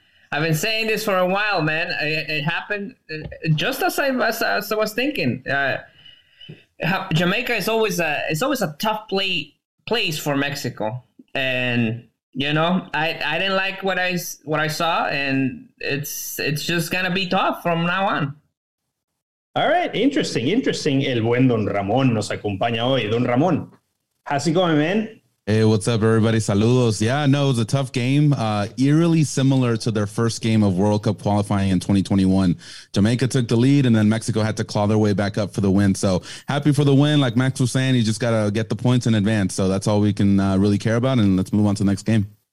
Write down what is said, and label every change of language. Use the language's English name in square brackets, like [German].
[English] I've been saying this for a while, man. It happened just as I was thinking. Jamaica is always a tough place for Mexico. And, you know, I didn't like what I saw. And it's just going to be tough from now on. All right, interesting. [Spanish] El buen Don Ramon nos acompaña hoy. [English] Don Ramon, how's it going, man? Hey, what's up, everybody? Saludos. Yeah, no, it was a tough game. Eerily similar to their first game of World Cup qualifying in 2021. Jamaica took the lead, and then Mexico had to claw their way back up for the win. So happy for the win. Like Max was saying, you just got to get the points in advance. So that's all we can really care about, and let's move on to the next game.